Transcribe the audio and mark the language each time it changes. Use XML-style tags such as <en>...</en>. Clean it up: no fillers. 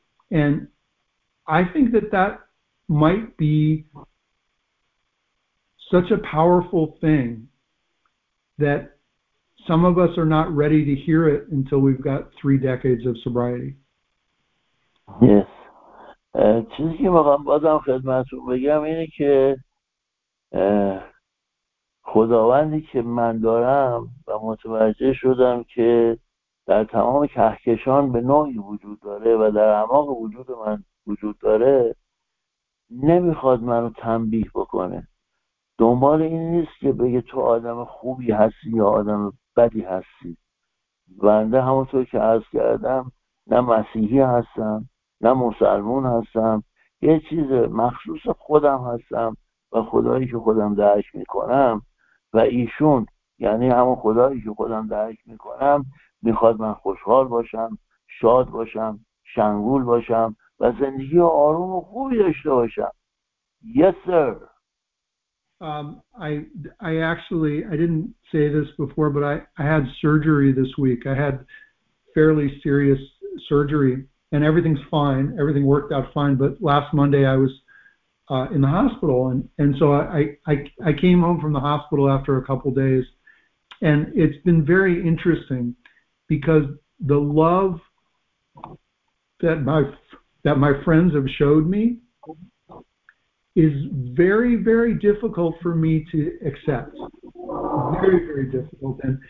<en>And I think that that might be such a powerful thing that some of us are not ready to hear it until we've got three decades of sobriety. Yes.</en> <fa>چیزی که میخوام بازم خدمتتون بگم اینه که خداوندی که من دارم و متوجه شدم که در تمام کهکشان به نوعی وجود داره و در اعماق وجود من وجود داره، نمیخواد منو تنبیه بکنه. دنبال این نیست که بگه تو آدم خوبی هستی یا آدم بدی هستی. بنده همونطور که عرض کردم نه مسیحی هستم نه مسلمون هستم، یه چیز مخصوص خودم هستم و خدایی که خودم درک میکنم و ایشون، یعنی همون خدایی که خودم درک میکنم، میخواد من خوشحال باشم، شاد باشم، شنگول باشم و زندگی آروم و خوبی داشته باشم.</fa> <en>Yes, sir. I didn't say this before, but I had surgery this week. I had fairly serious surgery, and everything's fine. Everything worked out fine. But last Monday, I was in the hospital, and so I came home from the hospital after a couple days, and it's been very interesting because the love that my friends have showed me is very, very difficult for me to accept. Very, very difficult.</en>